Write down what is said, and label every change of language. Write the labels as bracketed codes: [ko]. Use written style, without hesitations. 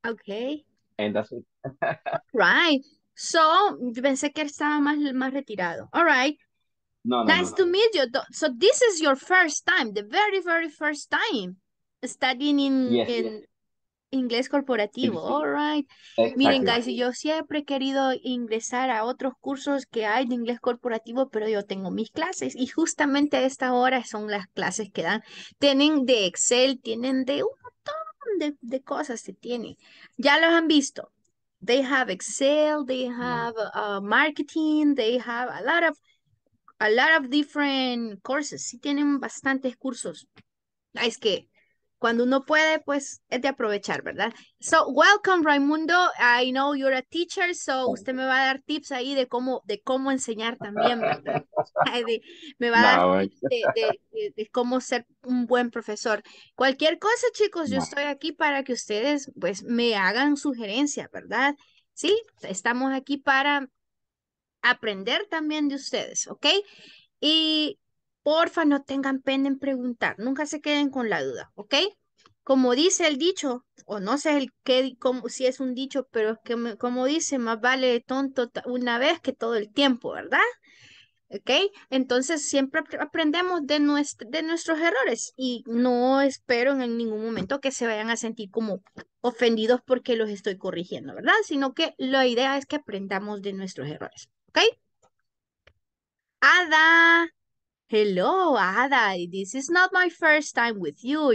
[en] Okay. And that's it. [es] Right. So, pensé que estaba más retirado. [en] All right. No, nice to meet you. So, this is your first time, the very, very first time studying in inglés corporativo. [es] Sí. [en] All right. Exactly. [es] Miren, guys, yo siempre he querido ingresar a otros cursos que hay de inglés corporativo, pero yo tengo mis clases y justamente a esta hora son las clases que dan. Tienen de Excel, tienen de un montón de cosas que tienen. Ya los han visto. [en] They have Excel, they have marketing, they have a lot of different courses. [es] Sí tienen bastantes cursos. Es que cuando uno puede, pues, es de aprovechar, ¿verdad? [en] So, welcome, Raimundo. I know you're a teacher, so [es] usted me va a dar tips ahí de cómo enseñar también, ¿verdad? Me va a dar tips de cómo ser un buen profesor. Cualquier cosa, chicos, yo estoy aquí para que ustedes, pues, me hagan sugerencias, ¿verdad? Sí, estamos aquí para aprender también de ustedes, ¿ok? Y... porfa, no tengan pena en preguntar. Nunca se queden con la duda, ¿ok? Como dice el dicho, o no sé si es un dicho, pero es que como dice, más vale tonto una vez que todo el tiempo, ¿verdad? ¿Ok? Entonces siempre aprendemos de nuestros errores y no espero en ningún momento que se vayan a sentir como ofendidos porque los estoy corrigiendo, ¿verdad? Sino que la idea es que aprendamos de nuestros errores, ¿ok? [en] ¡Ada! Hello, Ada. This is not my first time with you.